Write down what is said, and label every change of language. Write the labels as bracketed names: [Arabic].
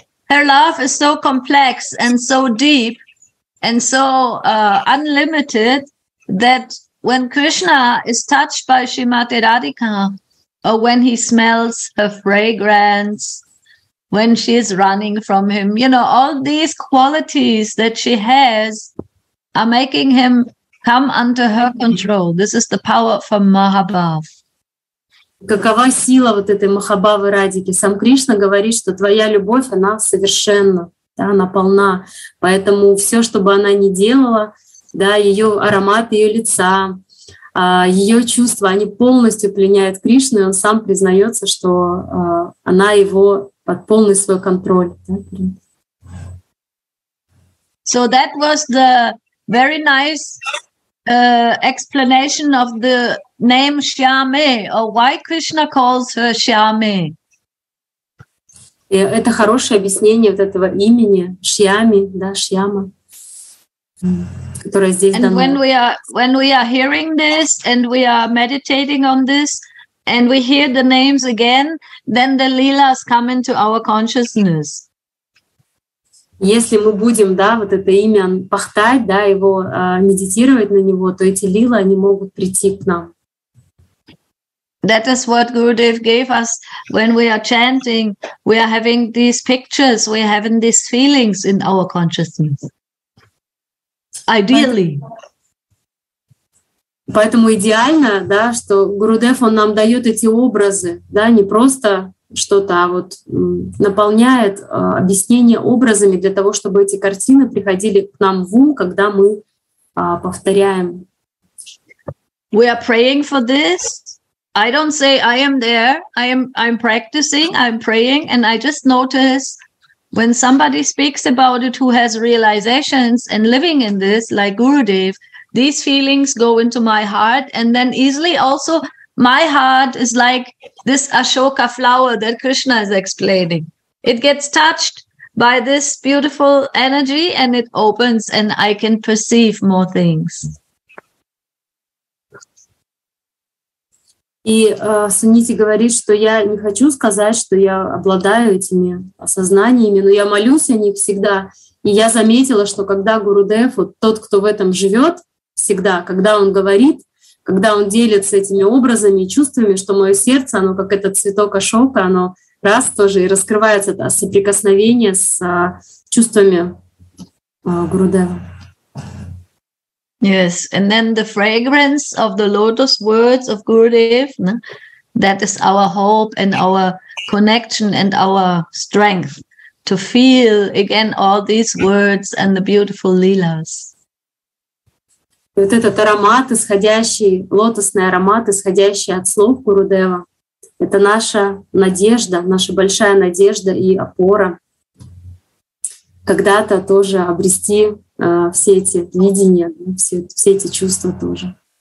[English] Her love is so complex and so deep and so unlimited that when Krishna is touched by Srimati Radhika, or when he smells her fragrance, when she is running from him, you know, all these qualities that she has are making him come under her control. This is the power from Mahabhav. [Russian] Какова сила вот этой Махабавы Радики? Сам Кришна говорит, что твоя любовь, она совершенна, да, она полна. Поэтому все, что бы она ни делала, да, ее аромат, ее лица, ее чувства, они полностью пленяют Кришну, и он сам признается, что она его под полный свой контроль. Да? So that was the very nice explanation of the name Shyame, or why Krishna calls her Shyame. Это хорошее объяснение вот этого имени Шьями, да, Шьяма, которое здесь [English] дано. And when we are hearing this and we are meditating on this and we hear the names again, then the lilas come into our consciousness. [Russian] Если мы будем, да, вот это имя пахтать, да, его медитировать на него, то эти лилы, они могут прийти к нам. [English] That is what Gurudev gave us when we are chanting. We are having these pictures, we are having these feelings in our consciousness. Ideally. [Russian] Поэтому идеально, да, что Гурудев, он нам дает эти образы, да, не просто что-то, а вот наполняет объяснение образами для того, чтобы эти картины приходили к нам в ум, когда мы повторяем. [English] We are praying for this. I don't say I am there, I'm practicing, I'm praying, and I just notice when somebody speaks about it who has realizations and living in this, like Gurudev, these feelings go into my heart, and then easily also my heart is like this Ashoka flower that Krishna is explaining. It gets touched by this beautiful energy and it opens and I can perceive more things. [Russian] И Сунити говорит, что я не хочу сказать, что я обладаю этими осознаниями, но я молюсь о них всегда. И я заметила, что когда Гурудев, вот тот, кто в этом живет всегда, когда он говорит, когда он делится этими образами и чувствами, что мое сердце, оно как этот цветок Ашока, оно раз тоже и раскрывается, да, соприкосновение с чувствами Гурудева. [English] Yes, and then the fragrance of the lotus words of Gurudev, no? That is our hope and our connection and our strength to feel again all these words and the beautiful lilas. [Russian] Вот этот аромат, исходящий, лотосный аромат, исходящий от слов Гурудева, это наша надежда, наша большая надежда и опора. когда-то тоже обрести все эти видения, все эти чувства тоже.